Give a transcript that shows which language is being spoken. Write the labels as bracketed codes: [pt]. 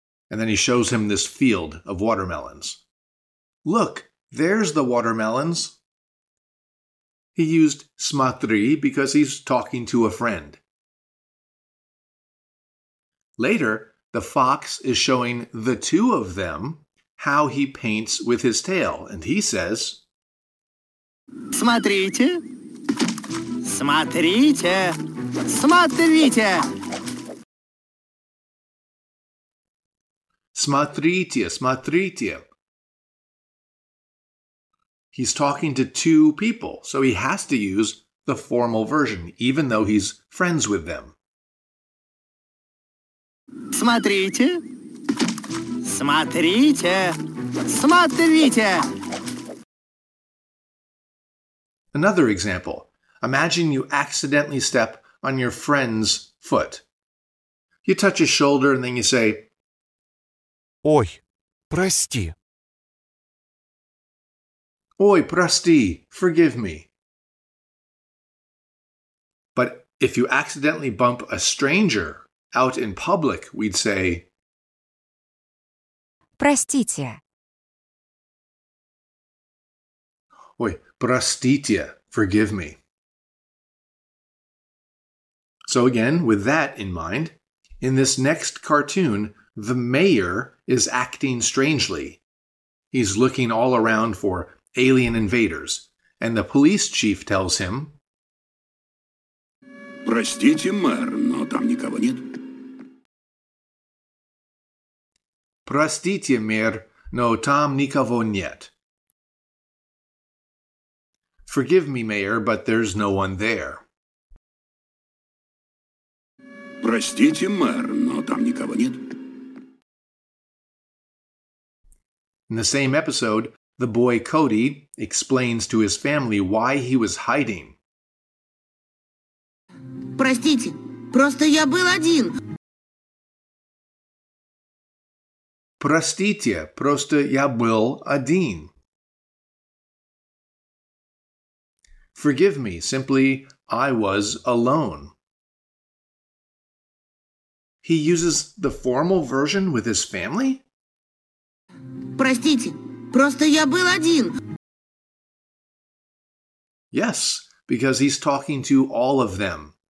[en] And then he shows him this field of watermelons. Look, there's the watermelons. He used smatri because he's talking to a friend. Later, the fox is showing the two of them how he paints with his tail, and he says, [ru] Смотрите, смотрите, смотрите. Смотрите, смотрите. [en] He's talking to two people, so he has to use the formal version, even though he's friends with them. [ru] Смотрите, смотрите, смотрите. [en] Another example. Imagine you accidentally step on your friend's foot. You touch his shoulder and then you say, [ru] Ой, прости. Ой, прости, [en] forgive me. But if you accidentally bump a stranger out in public, we'd say, [ru] Простите. Ой, простите, [en] forgive me. So again, with that in mind, in this next cartoon, the mayor is acting strangely. He's looking all around for alien invaders, and the police chief tells him, [ru] Простите, мэр, но там никого нет. Простите, мэр, но там никого нет. [en] Forgive me, mayor, but there's no one there. [ru] Простите, мэр, но там никого нет. [en] In the same episode, the boy Cody explains to his family why he was hiding. [ru] Простите, просто я был один. Простите, просто я был один. [en] Forgive me, simply, I was alone. He uses the formal version with his family? [ru] Простите, просто я был один. [en] Yes, because he's talking to all of them.